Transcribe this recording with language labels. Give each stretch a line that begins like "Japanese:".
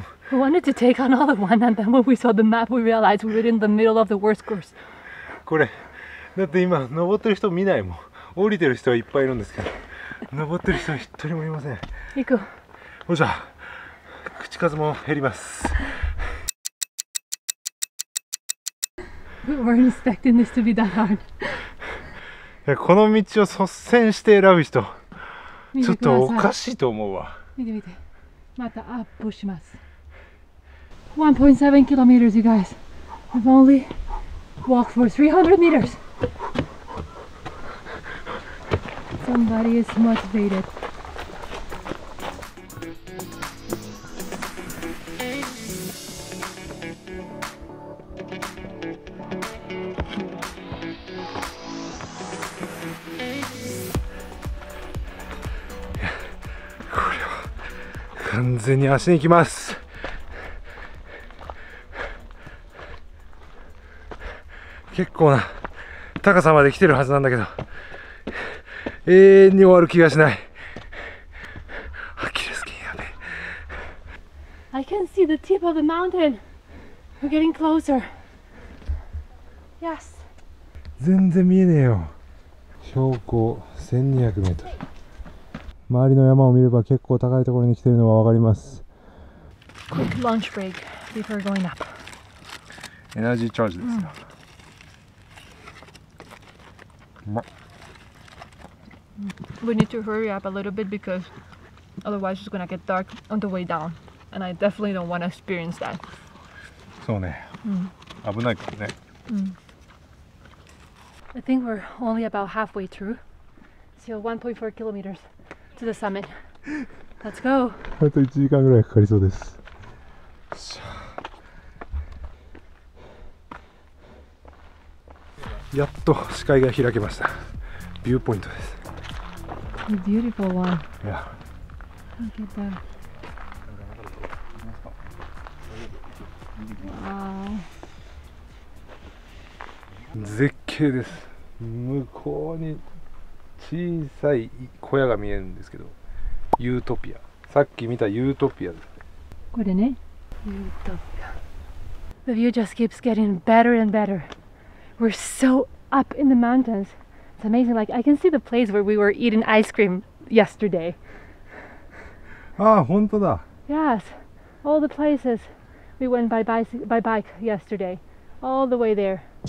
English: We wanted to take another one, and then when we saw the map, we realized we were in the middle of the worst course.
Japanese: これ、だって今登ってる人見ないもん。降りてる人はいっぱいいるんですけど、登ってる人は一人もいません。行こう。よっしゃ。口数も減ります。
English: We weren't expecting this to be that hard.
Japanese: この道を率先して選ぶ人、ちょっとおかしいと思うわ。見て見て、またアップします。
English: 1.7 kilometers, you guys. I've only walked for 300 meters. Somebody is motivated.
Japanese: 完全に足に行きます。結構な高さまで来てるはずなんだけど、永遠に終わる気がしない。アキレス腱やべ。
English: I can see the tip of the mountain. We're getting closer. Yes.
Japanese: 全然見えねえよ。標高1200m。周りの山を見れば結構高いところに来ているのはわかります。
English: Quick lunch break before going up.
Japanese: エナジーチャージですか。
English: We need to hurry up a little bit because otherwise it's gonna get dark on the way down, and I definitely don't want to experience that.
Japanese: そうね。危ないからね。
English: I think we're only about halfway through. So 1.4 kilometers. To the summit. Let's go.
Japanese: あと1時間ぐらいかかりそうです。やっと視界が開けました。ビューポイントです。
English: A beautiful one. Yeah. Look at that. Wow.
Japanese: 絶景です。向こうに。小さい小屋が見えるんですけど、ユートピア。さっき見たユートピアですね。これね。ユートピア。
English: The view just keeps getting better and better. We're so up in the mountains. It's amazing. Like I can see the place where we were eating ice cream yesterday.
Japanese: ああ、本当だ。
English: Yes. All the places we went by bike yesterday. All the way there.